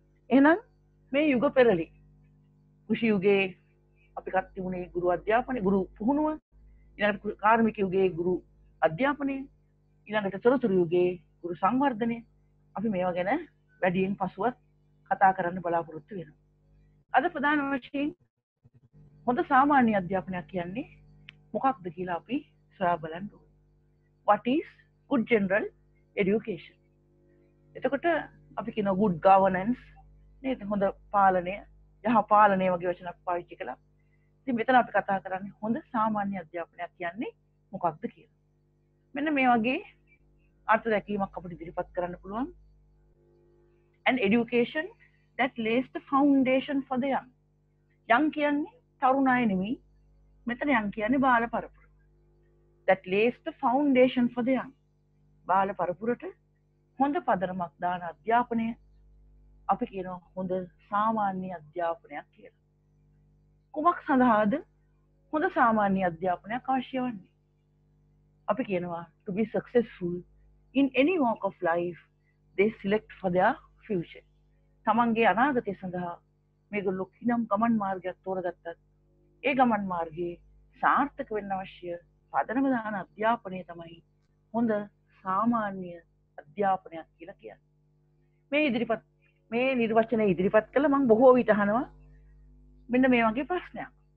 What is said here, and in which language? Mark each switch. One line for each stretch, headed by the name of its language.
Sinhala: එහෙනම් මේ යුග පෙරළි කුෂි යුගයේ අපි කත් තිබුණේ ගුරු අධ්‍යාපනය ගුරු පුහුණුව ඊළඟට කාර්මික යුගයේ ගුරු අධ්‍යාපනය ඊළඟට සොරතුරු යුගයේ ගුරු සංවර්ධනය අපි මේවා ගැන වැඩියෙන් පසුවත් කතා කරන්න බලාපොරොත්තු වෙනවා. අද ප්‍රධාන වශයෙන් හොඳ සාමාන්‍ය අධ්‍යාපනයක් කියන්නේ මොකක්ද කියලා අපි සොයා බලන්න ඕනේ.
English: What is good general education?
Sinhala: එතකොට අපි කියන
English: good governance
Sinhala: නේද හොඳ පාලනය යහ පාලනය වගේ වචන අපි පාවිච්චි කළා. ඉතින් මෙතන අපි කතා කරන්නේ හොඳ සාමාන්‍ය අධ්‍යාපනයක් කියන්නේ මොකක්ද කියලා. මෙන්න මේ වගේ අර්ථ දැකීමක් අපිට ඉදිරිපත් කරන්න පුළුවන්.
English: An education that lays the foundation for the young.
Sinhala: Young කියන්නේ තරුණ අය නෙමෙයි. මෙතන young කියන්නේ බාල පරපුර.
English: That lays the foundation for the young.
Sinhala: බාල පරපුරට හොඳ පදනමක් දාන අධ්‍යාපනය අපි කියනවා හොඳ සාමාන්‍ය අධ්‍යාපනයක් කියලා. කුමක් සඳහාද හොඳ සාමාන්‍ය අධ්‍යාපනයක් අවශ්‍ය වන්නේ? අපි කියනවා
English: to be successful in any walk of life they select for their future.
Sinhala: තමන්ගේ අනාගතය සඳහා මේගොල්ලෝ කිනම් ගමන් මාර්ගයක් තෝරගත්තත් ඒ ගමන් මාර්ගයේ සාර්ථක වෙන්න අවශ්‍ය පදනම දාන අධ්‍යාපනය තමයි හොඳ සාමාන්‍ය අධ්‍යාපනයක් කියලා කියන්නේ. මේ ඉදිරිපත් මේ නිර්වචනය ඉදිරිපත් කළ මම බොහෝ විට අහනවා මෙන්න මේ වගේ ප්‍රශ්නයක්.